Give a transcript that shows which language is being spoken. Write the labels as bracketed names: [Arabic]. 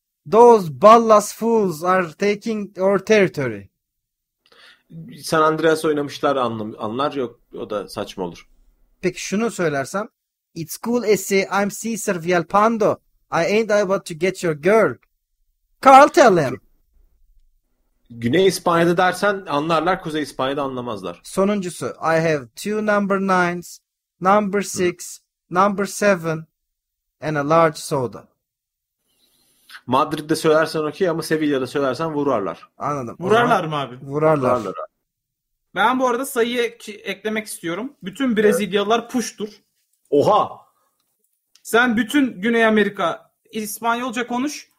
[English] Those ballas fools are taking our territory. [Turkish] San Andreas oynamışlar anlar yok. O da saçma olur. Peki şunu söylersem. [English] It's cool esse I'm Caesar Villalpando. I ain't about to get your girl. Carl tell him. [Turkish] Güney İspanya'da dersen anlarlar. Kuzey İspanya'da anlamazlar. Sonuncusu. [English] I have two number nines, number six, number seven and a large soda. [Turkish] Madrid'de söylersen okey ama Sevilla'da söylersen vurarlar. Anladım. Vurarlar mı abi? Vurarlar. Ben bu arada sayıyı eklemek istiyorum. Bütün Brezilyalılar puştur. Oha! Sen bütün Güney Amerika İspanyolca konuş.